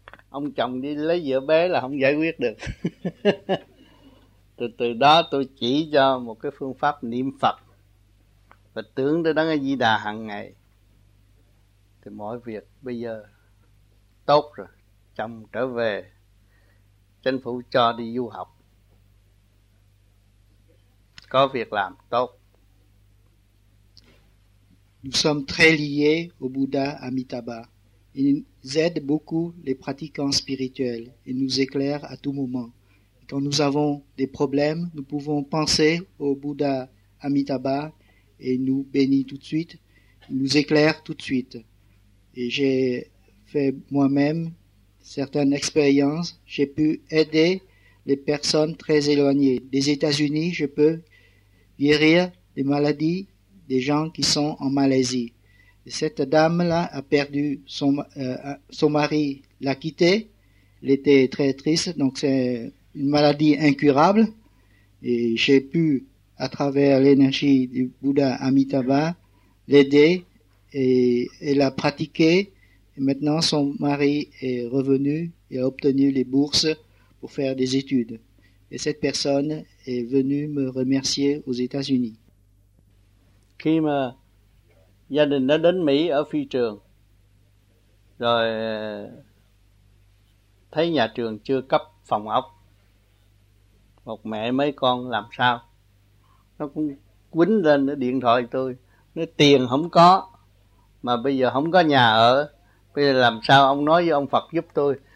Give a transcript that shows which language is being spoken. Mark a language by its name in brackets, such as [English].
[Vietnamese] Ông chồng đi lấy vợ bé là không giải quyết được. từ đó tôi chỉ cho một cái phương pháp niệm Phật và tưởng tới Đấng A Di Đà hằng ngày, thì mọi việc bây giờ tốt rồi. Chồng trở về, chính phủ cho đi du học, có việc làm tốt. [French] Nous sommes très liés au Bouddha Amitabha. Il nous aide beaucoup les pratiquants spirituels et nous éclaire à tout moment. Quand nous avons des problèmes, nous pouvons penser au Bouddha Amitabha et nous bénit tout de suite, il nous éclaire tout de suite. Et j'ai fait moi-même certaines expériences. J'ai pu aider les personnes très éloignées. Des États-Unis, je peux guérir des maladies des gens qui sont en Malaisie. Cette dame-là a perdu son mari, l'a quitté. Elle était très triste, donc c'est une maladie incurable. Et j'ai pu, à travers l'énergie du Bouddha Amitabha, l'aider et elle a pratiqué. Et maintenant, son mari est revenu et a obtenu les bourses pour faire des études. Et cette personne est venue me remercier aux États-Unis. [Vietnamese] Khi mà gia đình đã đến Mỹ ở phi trường, rồi thấy nhà trường chưa cấp phòng ốc, một mẹ mấy con làm sao, nó cũng quýnh lên nó điện thoại tôi, nói tiền không có, mà bây giờ không có nhà ở, bây giờ làm sao ông nói với ông Phật giúp tôi.